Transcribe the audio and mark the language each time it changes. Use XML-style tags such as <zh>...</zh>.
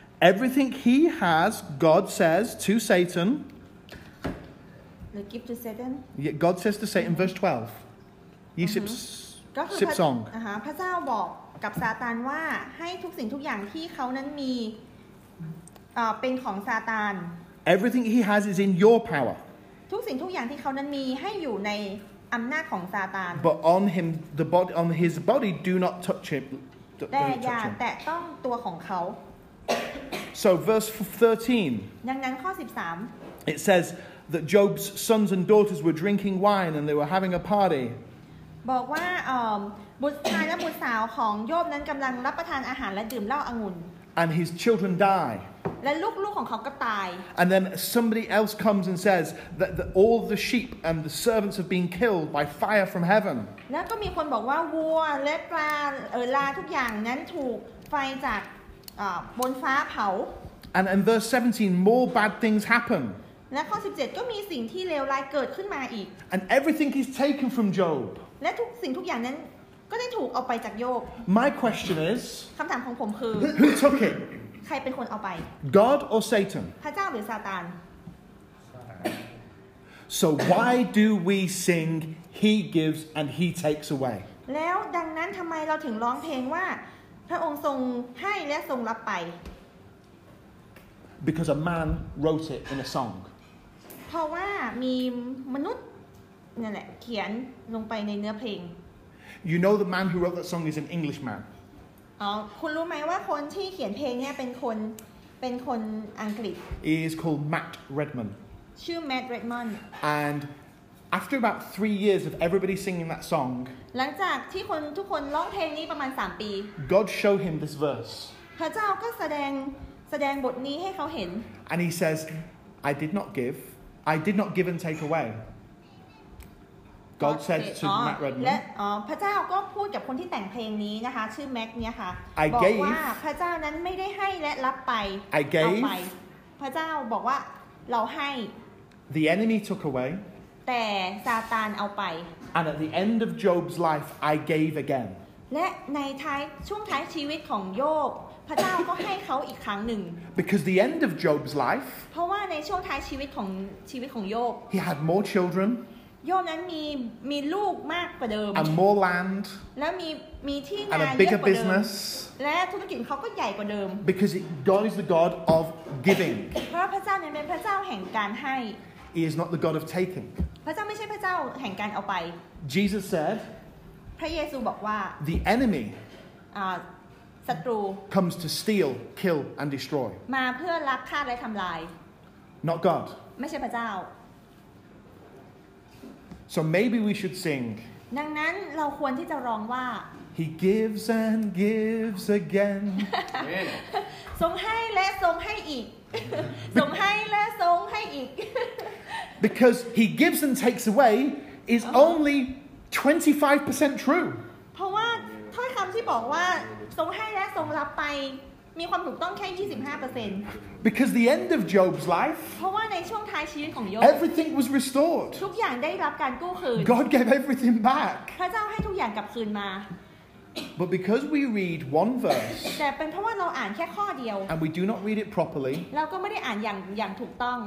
<en>Everything He has, God says to Satan. gift to Satan. Yeah, God says to Satan, verse 12. Yisip Song.</en> <th>พระเจ้าบอกกับซาตานว่าให้ทุกสิ่งทุกอย่างที่เขานั้นมีเป็นของซาตาน</th> <en>Everything he has is in your power.</en> <th>ทุกสิ่งทุกอย่างที่เขานั้นมีให้อยู่ในอำนาจของซาตาน</th> <en>But on him the body on his body do not touch him.</en> <th>แต่อย่าแตะต้องตัวของเขา</th> <en>So verse 13.</en> <th>ดังนั้นข้อ13</th> <en>It says that Job's sons and daughters were drinking wine and they were having a party.</en> <th>บอกว่าบุตรชายและบุตรสาวของโยบนั้นกำลังรับประทานอาหารและดื่มเหล้าองุ่น</th> <en>And his children die.</en> <th>และลูกๆของเขาก็ตาย</th> <en>And then somebody else comes and says that the, all the sheep and the servants have been killed by fire from heaven.</en> <th>แล้วก็มีคนบอกว่าวัวและปลาลาทุกอย่างนั้นถูกไฟจากบนฟ้าเผา</th> <en>And in verse 17 more bad things happen.</en> <th>และข้อ17ก็มีสิ่งที่เลวร้ายเกิดขึ้นมาอีก</th> <en>And everything is taken from Job.</en> <th>และทุกสิ่งทุกอย่างนั้นก็ได้ถูกเอาไปจากโยบ</th> <en>My question is</en> <th>คำถามของผมคือ</th> <en>Who took it?</en> <th>ใครเป็นคนเอาไป</th> <en>God or Satan</en> <th>พระเจ้าหรือซาตาน</th> <en>So why do we sing He gives and He takes away</en> <th>แล้วดังนั้นทำไมเราถึงร้องเพลงว่าพระองค์ทรงให้และทรงรับไป</th> <en>Because a man wrote it in a song</en> <th>เพราะว่ามีมนุษย์นั่นแหละเขียนลงไปในเนื้อเพลง</th> <en>You know the man who wrote that song is an English man</en> <th>คุณรู้ไหมว่าคนที่เขียนเพลงเนี่ยเป็นคนอังกฤษ</th> <en>He is called Matt Redman</en> <th>ชื่อ Matt Redman</th> <en>And after about 3 years of everybody singing that song</en> <th>หลังจากที่คนทุกคนร้องเพลงนี้ประมาณ3ปี</th> <en>God showed him this verse</en> <th>พระเจ้าก็แสดงบทนี้ให้เขาเห็น</th> <en>And he says I did not give and take away God said to Matt Redman.</en> <th>และพระเจ้าก็พูดกับคนที่แต่งเพลงนี้นะคะชื่อแม็กเนี่ยค่ะบ อ กว่าพระเจ้านั้นไม่ได้ให้และรับไปเอาไปพระเจ้าบอกว่าเราให้</th> <en>The enemy took away.</en> <th>แต่ซาตานเอาไป</th> <en>And at the end of Job's life, I gave again.</en> <th>และในท้ายช่วงท้ายชีวิตของโยบพระเจ้าก็ให้เขาอีกครั้งหนึ่ง</th> <en>Because the end of Job's life.</en> <th>เพราะว่าในช่วงท้ายชีวิตของโยบ</th> <en>He had more children.</en> <th>โยมนั้นมีลูกมากกว่าเดิม</th> <en>and more land</en> <th>แล้วมีที่นา เยอะกว่าเดิม</th> <en>bigger business</en> <th>และธุรกิจของเขาก็ใหญ่กว่าเดิม</th> <en>because God is the God of giving</en> <th>เพราะพระเจ้าเนี่ยเป็นพระเจ้าแห่งการให้</th> <en>He is not the God of taking</en> <th>พระเจ้าไม่ใช่พระเจ้าแห่งการเอาไป</th> <en>Jesus said</en> <th>พระเยซูบอกว่า</th> <en>the enemy</en> <th>ศัตรู</th> <en>comes to steal kill and destroy</en> <th>มาเพื่อลักฆ่าและทำลาย</th> <en>not God</en> <th>ไม่ใช่พระเจ้า</th> <en>So maybe we should sing.</en> <th>ดังนั้นเราควรที่จะร้องว่า</th> <en>He gives and gives again.</en> <th>ทรงให้และทรงให้อีกทรงให้และทรงให้อีก</th> <en>Because he gives and takes away is only 25% true.</en> <th>เพราะว่าถ้อยคำที่บอกว่าทรงให้และทรงรับไปมีความถูกต้องแค่ 25%</th> <en>Because the end of Job's life</en> <th>เพราะว่าในช่วงท้ายชีวิตของโยบ</th> <en>Everything was restored</en> <th>ทุกอย่างได้รับการกู้คืน</th> <en>God gave everything back</en> <th>พระเจ้าให้ทุกอย่างกลับคืนมา</th> <en>But because we read one verse</en> <th>แต่เป็นเพราะว่าเราอ่านแค่ข้อเดียว</th> <en>And we do not read it properly</en> <th>เราก็ไม่ได้อ่านอย่างถูกต้อง</th>